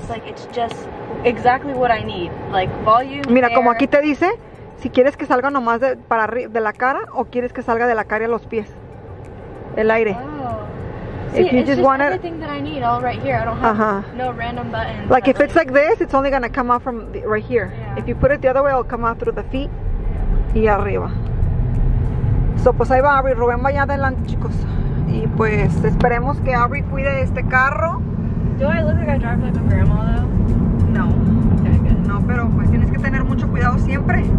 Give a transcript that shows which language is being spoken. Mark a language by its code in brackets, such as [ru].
[en] It's like, it's just exactly what I need. Like, volume. [es] Mira, como aquí te dice, si quieres que salga nomás de la cara o quieres que salga de la cara a los pies. El aire. Oh. [en] See, it's just everything that I need all right here. I don't have no random buttons. Like, if it's like this, it's only going to come out from right here. If you put it the other way, it'll come out through the feet. [es] Y arriba. So, pues ahí va Harry. Rubén va allá adelante, chicos. Y pues esperemos que Harry cuide este carro. [en] Do I look like I drive like a grandma, though? No. Okay, good. [es] No, pero pues tienes que tener mucho cuidado siempre.